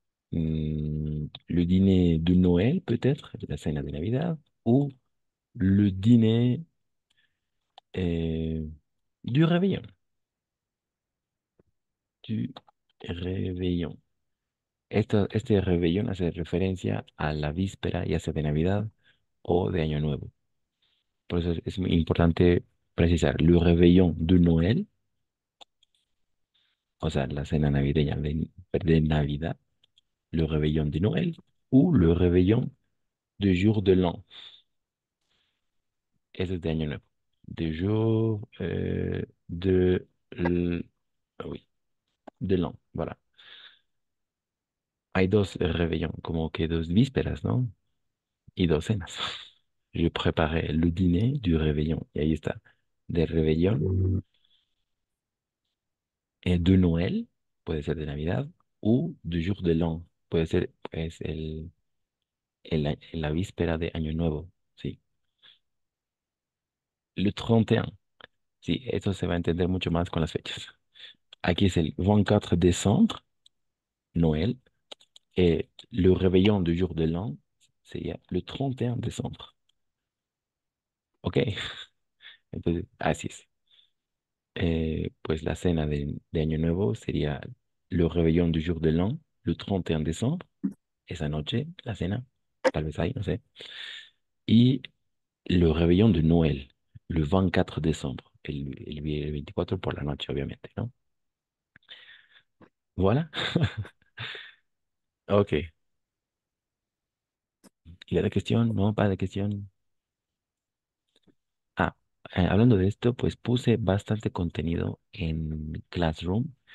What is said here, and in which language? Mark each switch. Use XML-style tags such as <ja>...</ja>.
<fr>Le dîner de Noël, peut-être,</fr> <es>la cena de Navidad,</es> <fr>ou le dîner du réveillon. Du réveillon.</fr> <es>Este réveillon hace referencia a la víspera, ya sea de Navidad o de Año Nuevo. Por eso es muy importante precisar,</es> <fr>le réveillon de Noël,</fr> <es>o sea, la cena navideña de Navidad,</es> <fr>le réveillon de Noël ou le réveillon de jour de l'an.</fr> <es>Ese es de Año Nuevo.</es> <fr>De jour de l'an. Oui. De l'an, voilà.</fr> <es>Hay dos réveillons, como que dos vísperas, ¿no? Y dos cenas.</es> <fr>Je préparais le dîner du réveillon.</fr> <es>Y ahí está. De réveillon.</es> <fr>Et de Noël,</fr> <es>puede ser de Navidad,</es> <fr>ou de jour de l'an.</fr> <es>Puede ser pues, la víspera de Año Nuevo, sí. Le 31. Sí, eso se va a entender mucho más con las fechas. Aquí es el 24 décembre, Noël.</es> <fr>Et le réveillon du jour de l'an, c'est le 31 décembre. OK.</fr> <es>Entonces, así es. Pues la cena de Año Nuevo sería</es> <fr>le réveillon du jour de l'an, le 31 décembre.</fr> <es>Esa noche, la cena, tal vez ahí, no sé.</es> <fr>Y le réveillon de Noël, le 24 décembre.</fr> <es>El 24 por la noche, obviamente, ¿no?</es> <fr>Voilà. Ok.</fr> <es>¿Y la cuestión? No, para la cuestión. Hablando de esto, pues puse bastante contenido en Classroom.</es>